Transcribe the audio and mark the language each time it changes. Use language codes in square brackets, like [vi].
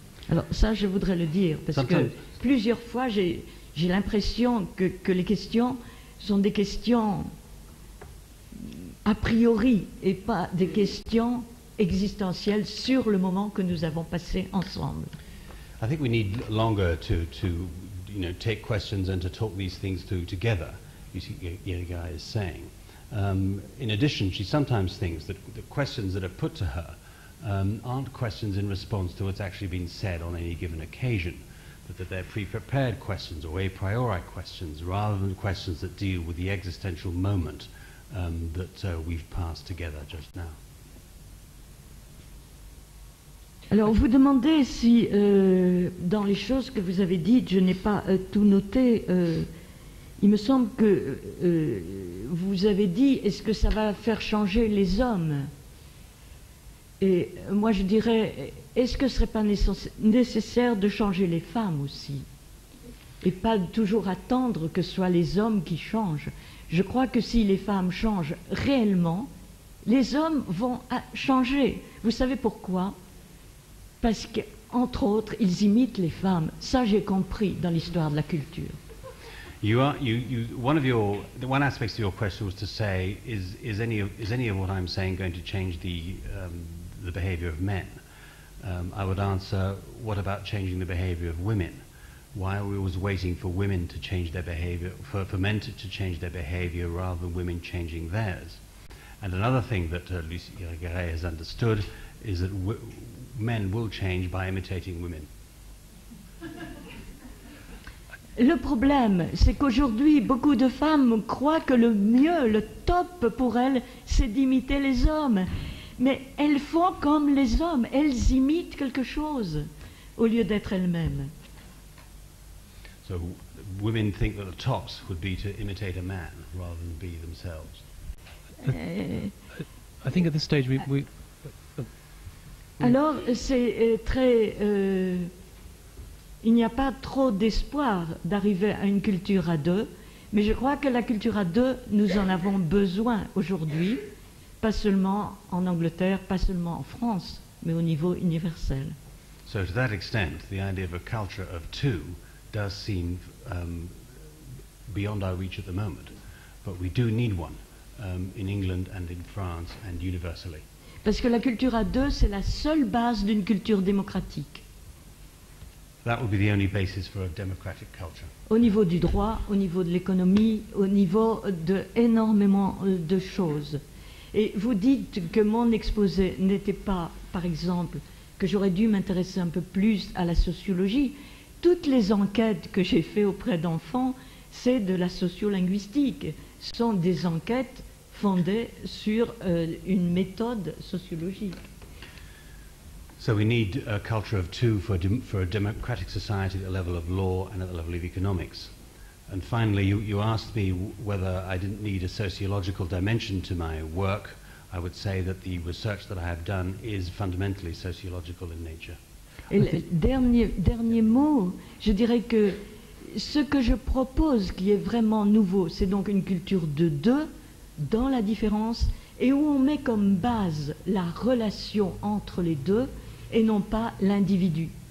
[fr] Alors ça je voudrais le dire parce que plusieurs fois j'ai l'impression que les questions sont des questions a priori et pas des questions existentielles sur le moment que nous avons passé ensemble. [en] I think we need longer to you know, take questions and to talk these things through together, you see what Irigaray is saying. In addition, she sometimes thinks that the questions that are put to her aren't questions in response to what's actually been said on any given occasion, that they're pre-prepared questions or a priori questions rather than questions that deal with the existential moment that we've passed together just now. [fr] Alors, vous demandez si, dans les choses que vous avez dites, je n'ai pas tout noté. Il me semble que vous avez dit, est-ce que ça va faire changer les hommes? Et moi, je dirais, est-ce que ce ne serait pas nécessaire de changer les femmes aussi? Et pas toujours attendre que ce soit les hommes qui changent. Je crois que si les femmes changent réellement, les hommes vont changer. Vous savez pourquoi? Parce qu'entre autres, ils imitent les femmes. Ça, j'ai compris dans l'histoire de la culture. [en] One aspect of your question was to say, is any of what I'm saying going to change the behavior of men? I would answer, what about changing the behavior of women? Why are we always waiting for women to change their behavior, for men to change their behavior rather than women changing theirs? And another thing that Luce Irigaray has understood is that men will change by imitating women. [fr] Le problème, c'est qu'aujourd'hui, beaucoup de femmes croient que le mieux, le top pour elles, c'est d'imiter les hommes. Mais elles font comme les hommes, elles imitent quelque chose au lieu d'être elles-mêmes. [en] So, women think that the tops would be to imitate a man rather than be themselves. I think at this stage we [fr] Alors, c'est très... Il n'y a pas trop d'espoir d'arriver à une culture à deux, mais je crois que la culture à deux, nous en avons besoin aujourd'hui, pas seulement en Angleterre, pas seulement en France, mais au niveau universel. [en] So to that extent, the idea of a culture of two does seem beyond our reach at the moment, but we do need one in England and in France and universally. [fr] Parce que la culture à deux, c'est la seule base d'une culture démocratique. [en] That would be the only basis for a democratic culture. [fr] Au niveau du droit, au niveau de l'économie, au niveau d'énormément de choses. Et vous dites que mon exposé n'était pas, par exemple, que j'aurais dû m'intéresser un peu plus à la sociologie. Toutes les enquêtes que j'ai faites auprès d'enfants, c'est de la sociolinguistique. Ce sont des enquêtes fondées sur une méthode sociologique. [en] So we need a culture of two for a democratic society at the level of law and at the level of economics. And finally, you asked me whether I didn't need a sociological dimension to my work. I would say that the research that I have done is fundamentally sociological in nature. [fr] Dernier mot, je dirais que ce que je propose qui est vraiment nouveau, c'est donc une culture de deux dans la différence et où on met comme base la relation entre les deux et non pas l'individu.